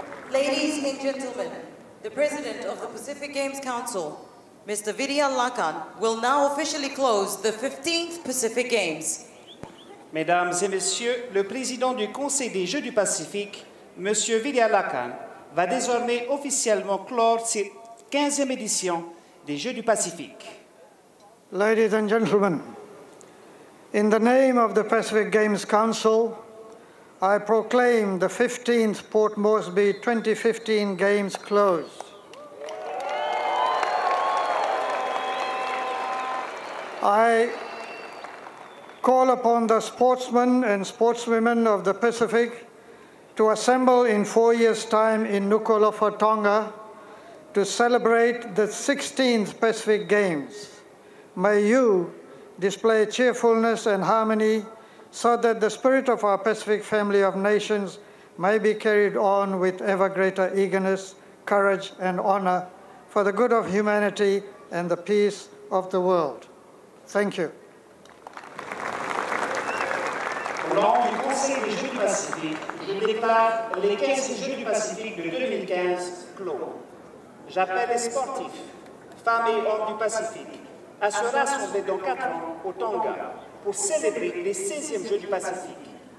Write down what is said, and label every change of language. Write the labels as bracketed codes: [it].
[en] Ladies and gentlemen, the President of the Pacific Games Council, Mr. Vidhya Lakhan, will now officially close the 15th Pacific Games. [fr] Mesdames et messieurs, le président du Conseil des Jeux du Pacifique, M. Vidhya Lakhan, va désormais officiellement clore cette 15e édition des Jeux du Pacifique. [en] Ladies and gentlemen, in the name of the Pacific Games Council, I proclaim the 15th Port Moresby 2015 Games closed. I call upon the sportsmen and sportswomen of the Pacific to assemble in 4 years' time in Nuku'alofa, Tonga, to celebrate the 16th Pacific Games. May you display cheerfulness and harmony so that the spirit of our Pacific family of nations may be carried on with ever greater eagerness, courage, and honor for the good of humanity and the peace of the world. Thank you. [fr] Au nom du Conseil des Jeux du Pacifique, je déclare les 15 Jeux du Pacifique de 2015 clos. J'appelle les sportifs, femmes et hommes du Pacifique, à se rassembler dans 4 ans au Tonga pour célébrer les 16e Jeux du Pacifique.